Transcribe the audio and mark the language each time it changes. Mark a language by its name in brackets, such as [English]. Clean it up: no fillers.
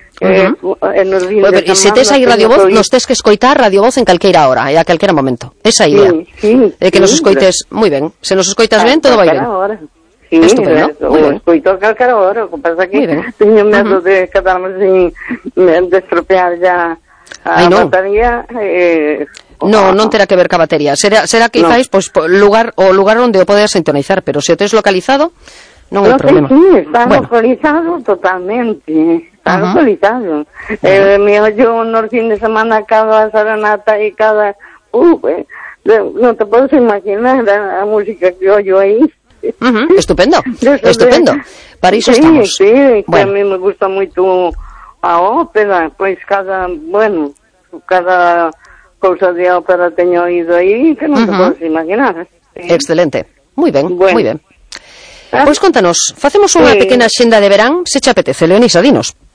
[Galician] Bueno, pero, y se tes aí Radio Voz, nos tes que escoitar Radio Voz en calqueira hora, e a calqueira momento. Esa idea. Sí, sí, de que sí, nos escoites pero... moi ben. Se nos escoitas ben, todo vai ben. [Spanish] Sí, estupendo. [Galician] Escoito a calquera hora, o que pasa que teño medo de quedarme sin de estropear ya a batería. Non terá que ver ca batería. Será que quizáis pois lugar o lugar onde o podes sintonizar, pero se o tes localizado, non hai problema. Sí, está localizado totalmente. Localizado. [Spanish] Me oyo unos fines de semana cada serenata y cada... no te puedes imaginar la música que oyo ahí. Estupendo, estupendo. Para eso sí, estamos. Sí, bueno. A mí me gusta mucho la ópera, pues cada... Bueno, cada cosa de ópera tengo oído ahí que no te puedes imaginar. Sí. Excelente. Muy bien, bueno. Muy bien. [Galician] Pues contanos, facemos unha pequena xenda de verán, se che apetece, Leonisa, dinos.